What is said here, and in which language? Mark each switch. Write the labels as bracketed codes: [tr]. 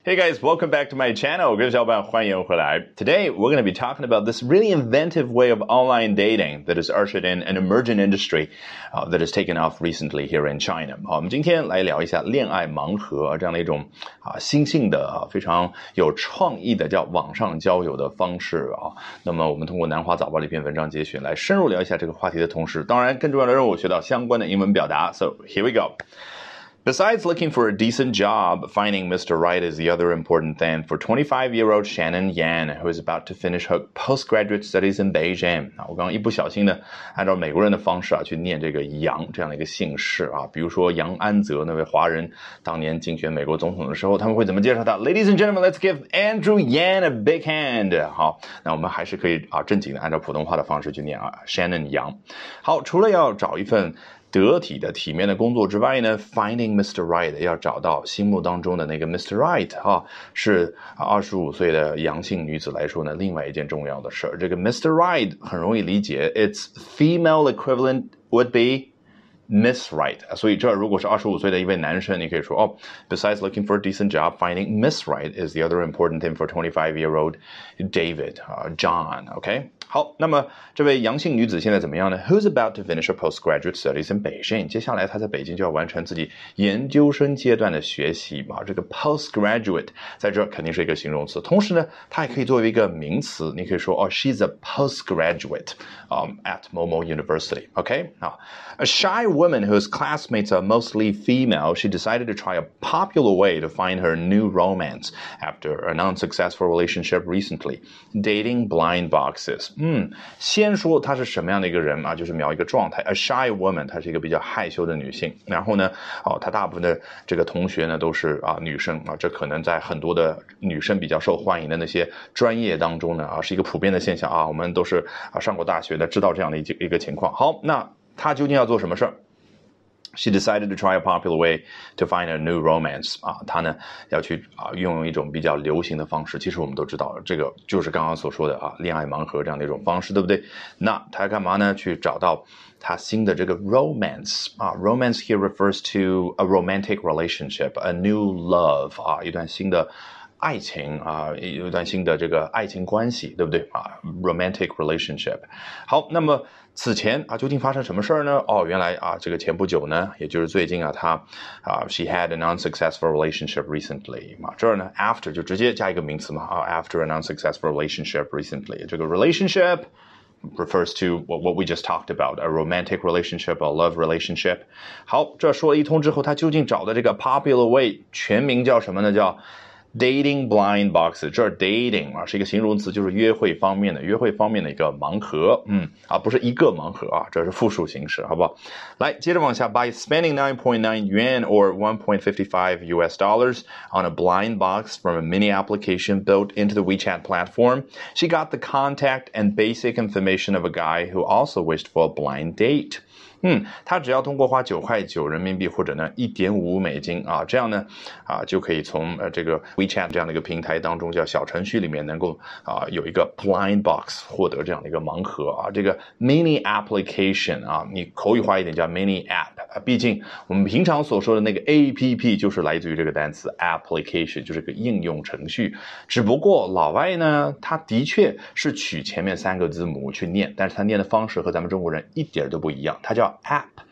[en] Hey guys, welcome back to my channel. [zh] 各位小伙伴，欢迎回来。 [en] Today, we're going to be talking about this really inventive way of online dating that has ushered in an emerging industry, that has taken off recently here in China. [zh] 好，我们今天来聊一下恋爱盲盒这样的一种新兴的非常有创意的叫网上交友的方式啊。那么我们通过南华早报的一篇文章节选来深入聊一下这个话题的同时，当然更重要的任务学到相关的英文表达。 [en] So here we go. Besides looking for a decent job, finding Mr. Right is the other important thing for 25-year-old Shannon Yan, who is about to finish her postgraduate studies in Beijing. [zh] 我刚刚一不小心的按照美国人的方式去念这个杨这样的一个姓氏啊，比如说杨安泽那位华人当年竞选美国总统的时候，他们会怎么介绍他 ？ [en] Ladies and gentlemen, let's give Andrew Yan a big hand. [zh] 好，那我们还是可以正经的按照普通话的方式去念啊 ，Shannon Yan。好，除了要找一份。得体的体面的工作之外呢 [en] finding Mr. [zh] Right 要找到心目当中的那个 Mr. Right 啊，是25岁的阳性女子来说呢另外一件重要的事这个 Mr. [en] Right 很容易理解 its female equivalent would be Miss Right [zh] 所以这如果是25岁的一位男生你可以说、 [en] besides looking for a decent job finding Miss Right is the other important thing for 25-year-old David、John OK [zh] 好，那么这位阳性女子现在怎么样呢 [en] ？Who's about to finish her postgraduate studies in Beijing？ [zh] 接下来她在北京就要完成自己研究生阶段的学习嘛？这个 postgraduate 在这肯定是一个形容词，同时呢，它也可以作为一个名词。你可以说哦 [en] ，she's a postgraduate at Momo University。 OK， 好 ，a shy woman whose classmates are mostly female， she decided to try a popular way to find her new romance after an unsuccessful relationship recently， dating blind boxes。 [zh] 先说她是什么样的一个人啊？就是描一个状态 ， [en] a shy woman， [zh] 她是一个比较害羞的女性。然后呢，她大部分的这个同学呢都是女生啊，这可能在很多的女生比较受欢迎的那些专业当中呢是一个普遍的现象啊。我们都是上过大学的，知道这样的一个情况。好，那她究竟要做什么事儿？ [en] She decided to try a popular way to find a new romance. [zh] 她呢要去运用一种比较流行的方式。其实我们都知道，这个就是刚刚所说的恋爱盲盒这样的一种方式，对不对？那她干嘛呢？去找到她新的这个 romance. [en] Romance here refers to a romantic relationship, a new love. [zh] 一段新的爱情一段新的这个爱情关系，对不对？ [en] Romantic relationship. [zh] 好，那么。此前究竟发生什么事呢原来这个前不久呢也就是最近她 [en] she had an unsuccessful relationship recently. [zh] 这儿呢 after 就直接加一个名词嘛 [en] after an unsuccessful relationship recently. 这个 relationship refers to what we just talked about, a romantic relationship, a love relationship. [zh] 好这说了一通之后她究竟找的这个 popular way, 全名叫什么呢叫Dating blind box, 这 dating 是一个形容词，就是约会方面的，约会方面的一个盲盒，不是一个盲盒这是复数形式，好不好？ [en] 来，接着往下 ，by spending 9.9 yuan or 1.55 US dollars on a blind box from a mini application built into the WeChat platform, she got the contact and basic information of a guy who also wished for a blind date. [zh] 他只要通过花9.9人民币或者呢1.5美金这样呢就可以从这个 WeChat 这样的一个平台当中叫小程序里面能够有一个 blind box 获得这样的一个盲盒这个 mini application 你口语化一点叫 mini app 毕竟我们平常所说的那个 app 就是来自于这个单词 application 就是个应用程序只不过老外呢他的确是取前面三个字母去念但是他念的方式和咱们中国人一点都不一样他叫App